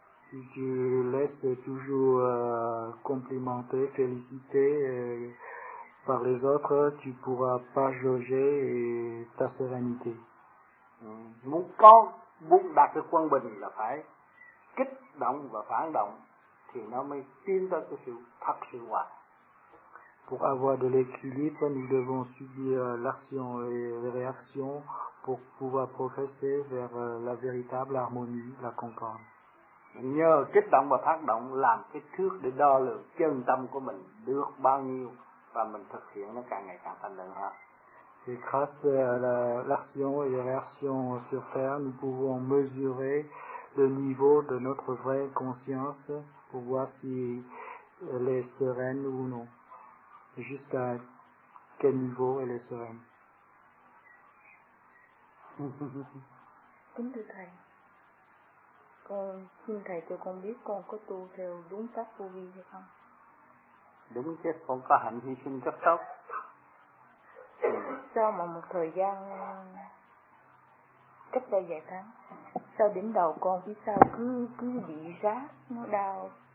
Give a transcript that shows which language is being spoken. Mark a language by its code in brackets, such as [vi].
[fr] Si tu laisses toujours complimenter, féliciter par les autres, tu ne pourras pas jauger et ta sérénité. [vi] Muốn đạt được quân bình là phải kích động và phản động thì nó mới tiến tới cái sự thật sự hòa. [fr] Pour avoir de l'équilibre, nous devons subir l'action et les réactions pour pouvoir progresser vers la véritable harmonie, la concorde. [vi] Nhờ kích động và phản động làm cái thước để đo lường chân tâm của mình được bao nhiêu và mình thực hiện nó càng ngày càng thành lớn hơn. [fr] Et grâce à l'action et la réaction sur terre, nous pouvons mesurer le niveau de notre vraie conscience pour voir si elle est sereine ou non. Jusqu'à quel niveau elle est sereine. [vi] Kính thưa thầy, con xin thầy cho con biết con có tu theo đúng pháp vô vi hay không? Đúng chứ, con có hạnh hy sinh rất tốt. Sau mà một thời gian cách đây vài tháng, sau đỉnh đầu con phía sau cứ bị rát, nó đau.